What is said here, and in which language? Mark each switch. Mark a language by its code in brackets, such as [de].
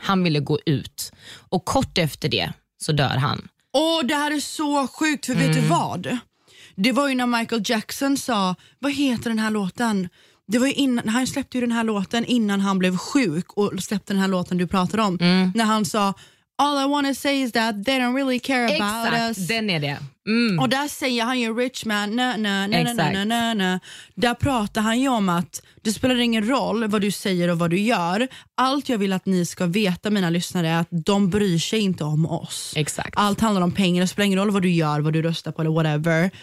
[sv] Han ville gå ut. Och kort efter det så dör han. Åh, det här är så sjukt, för vet du vad? Det var ju när Michael Jackson sa, vad heter den här låten? Det var ju innan, han släppte ju den här låten innan han blev sjuk och släppte den här låten du pratade om. När han sa, [en] All I want to say is that they don't really care about [sv] exakt, [en] us. [sv] Exakt, den är det. Och där säger han ju [en] rich man, [sv] na na na. Där pratar han ju om att det spelar ingen roll vad du säger och vad du gör. Allt jag vill att ni ska veta, mina lyssnare, är att de bryr sig inte om oss. Exakt. Allt handlar om pengar. Det spelar ingen roll vad du gör, vad du röstar på eller whatever.